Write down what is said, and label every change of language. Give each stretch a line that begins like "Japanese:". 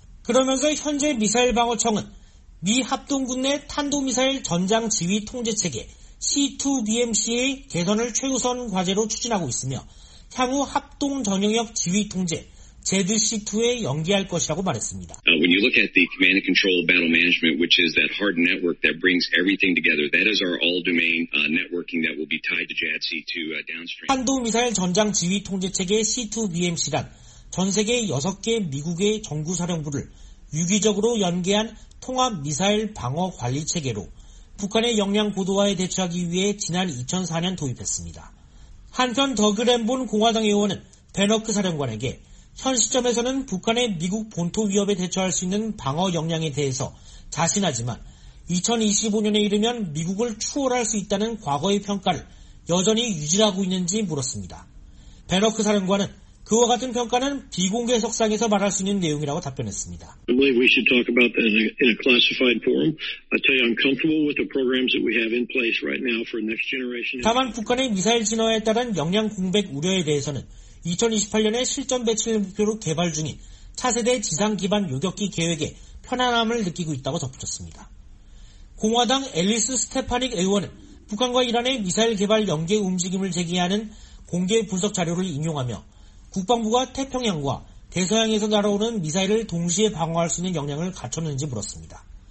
Korean: 그러면서 현재 미사일 방어청은 미 합동군 내 탄도미사일 전장 지휘 통제 체계 C2BMC의 개선을 최우선 과제로 추진하고 있으며 향후 합동 전용역 지휘 통제 ZC2에 연계할 것이라고 말했습니다.
English: When you look at the command and control battle management, which is that hard network that brings everything together, that is our all-domain networking that will be tied to JADC2 downstream.
Korean: 탄도 미사일 전장 지휘 통제 체계 C2BMC란 전 세계 6개 미국의 정구 사령부를 유기적으로 연계한 통합 미사일 방어 관리 체계로 북한의 역량 고도화에 대처하기 위해 지난 2004년 도입했습니다. 한편 더그 램본 공화당 의원은 베너크 사령관에게 현 시점에서는 북한의 미국 본토 위협에 대처할 수 있는 방어 역량에 대해서 자신하지만 2025년에 이르면 미국을 추월할 수 있다는 과거의 평가를 여전히 유지하고 있는지 물었습니다. 베너크 사령관은 그와 같은 평가는 비공개 석상에서 말할 수 있는 내용이라고 답변했습니다.
English: I believe we should talk about that in a classified forum. I tell you, I'm comfortable with the programs that we have in place right now for next generation.
Korean: 다만 북한의 미사일 진화에 따른 역량 공백 우려에 대해서는 2028년에 실전 배치를 목표로 개발 중인 차세대 지상 기반 요격기 계획에 편안함을 느끼고 있다고 덧붙였습니다. 공화당 앨리스 스테파닉 의원은 북한과 이란의 미사일 개발 연계 움직임을 제기하는 공개 분석 자료를 인용하며 국방부가 태평양과 대서양에서 날아오는 미사일을 동시에 방어할 수 있는 역량을 갖췄는지 물었습니다.